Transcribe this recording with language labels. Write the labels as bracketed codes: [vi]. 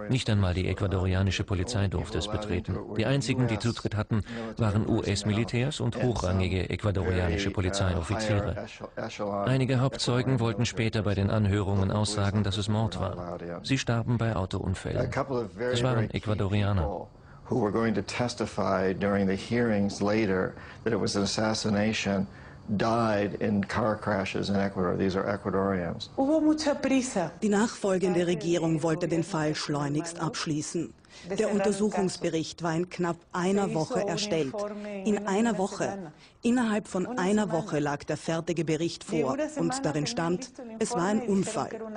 [de] Nicht einmal die ecuadorianische Polizei durfte es betreten. Die einzigen, die Zutritt hatten, waren US-Militärs und hochrangige ecuadorianische Polizeioffiziere. Einige Hauptzeugen wollten später bei den Anhörungen aussagen, dass es Mord war. Sie starben bei Autounfällen. Es waren Ecuadorianer. [en] Who were going to testify during the hearings later that it was an assassination, died in car crashes in Ecuador. These are Ecuadorians. [es] Hubo mucha prisa. [de] Die nachfolgende Regierung wollte den Fall schleunigst abschließen. Der Untersuchungsbericht war in knapp einer Woche erstellt. In einer Woche. Innerhalb von einer Woche lag der fertige Bericht vor und darin stand, es war ein Unfall.